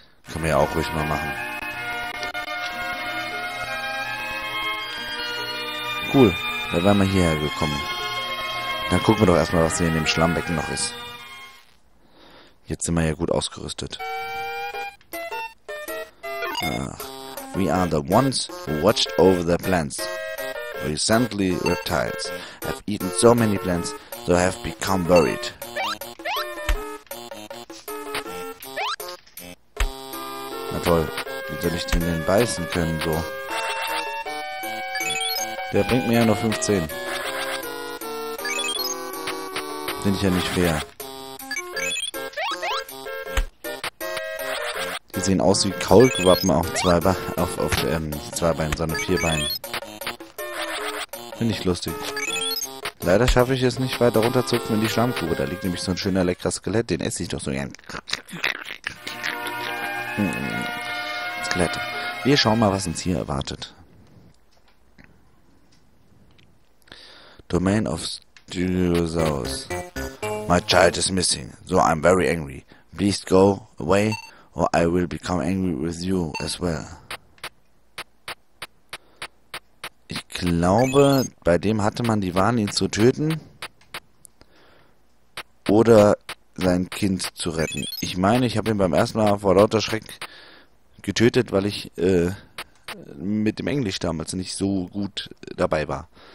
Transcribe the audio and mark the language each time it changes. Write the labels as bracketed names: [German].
[German] Können wir ja auch ruhig mal machen. Cool, da wären wir hierher gekommen. Dann gucken wir doch erstmal, was hier in dem Schlammbecken noch ist. Jetzt sind wir ja gut ausgerüstet. [English] We are the ones who watched over the plants. Recently, reptiles have eaten so many plants, so I have become worried. [German] Na toll, wie soll ich den denn beißen können, so? Der bringt mir ja nur 15. Finde ich ja nicht fair. Die sehen aus wie Kaulquappen auf Vierbeinen. Finde ich lustig. Leider schaffe ich es nicht weiter runter zu hüpfen in die Schlammgrube. Da liegt nämlich so ein schöner, leckerer Skelett. Den esse ich doch so gern. Skelett. Wir schauen mal, was uns hier erwartet. [English] Domain of Styrosaurus. My child is missing, so I'm very angry. Please go away, or I will become angry with you as well. [German] Ich glaube, bei dem hatte man die Wahl, ihn zu töten oder sein Kind zu retten. Ich meine, ich habe ihn beim ersten Mal vor lauter Schreck getötet, weil ich mit dem Englisch damals nicht so gut dabei war.